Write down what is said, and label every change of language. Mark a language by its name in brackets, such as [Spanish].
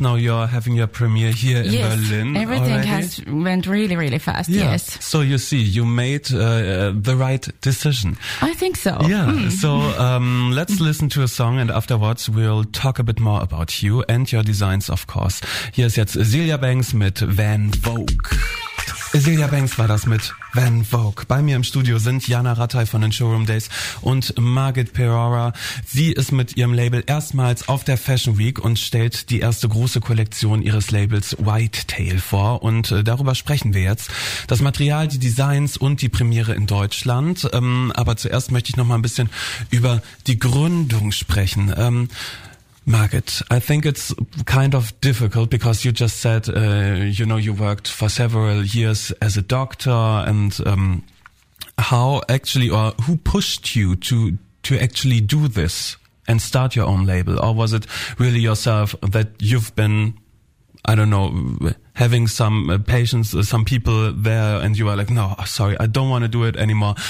[English] Now you're having your premiere here in Berlin. Everything has went really, really fast, yes. So you see, you made the right decision. I think so. Yeah. So let's listen to a song, and afterwards we'll talk a bit more about you and your designs, of course. [German] Hier ist jetzt Azealia Banks mit Van Vogue. Azealia Banks war das mit Van Vogue. Bei mir im Studio sind Jana Rattay von den Showroom Days und Margit Perora. Sie ist mit ihrem Label erstmals auf der Fashion Week und stellt die erste große Kollektion ihres Labels White Tail vor. Und darüber sprechen wir jetzt. Das Material, die Designs und die Premiere in Deutschland. Aber zuerst möchte ich noch mal ein bisschen über die Gründung sprechen. [English] Margit, I think it's kind of difficult because you just said, you know, you worked for several years as a doctor, and how actually, or who pushed you to actually do this and start your own label? Or was it really yourself that you've been, I don't know, having some patients, some people there, and you are like, no, sorry, I don't want to do it anymore.